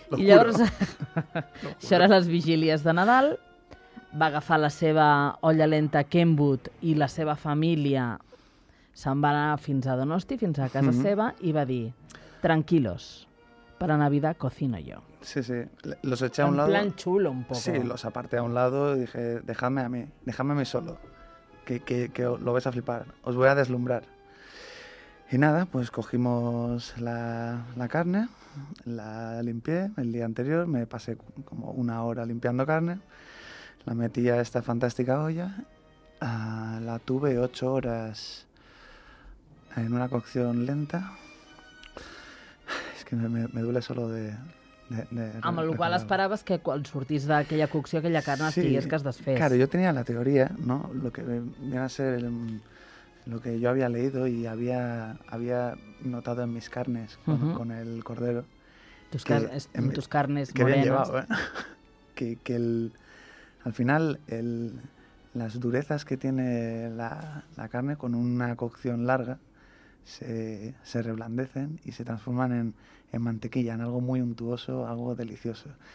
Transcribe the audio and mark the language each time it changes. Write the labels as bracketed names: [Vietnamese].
[Catalan] I llavors, això era les vigílies de Nadal, va agafar la seva olla lenta Kenwood i la seva família se'n va anar fins a Donosti, fins a casa, mm-hmm, seva, i va dir: [Spanish] tranquilos, para Navidad cocino yo. Sí, sí. Los eché a un lado. En plan chulo un poco. Sí, los aparté a un lado y dije: dejadme a mí solo, que lo vais a flipar, os voy a deslumbrar. Y nada, pues cogimos la carne, la limpié el día anterior, me pasé como una hora limpiando carne. La metí a esta fantástica olla, la tuve 8 horas en una cocción lenta. Es que me duele solo de [Catalan] amb el qual esperaves que quan sortís d'aquella cocció aquella carne, sí, estigués que es desfés. [Spanish] Claro, yo tenía la teoría, ¿no?, lo que viene a ser lo que yo había leído y había notado en mis carnes con el cordero. Tus carnes que morenas. Que bien llevado, ¿eh? que el... Al final, las durezas que tiene la carne con una cocción larga se reblandecen y se transforman en mantequilla, en algo muy untuoso, algo delicioso.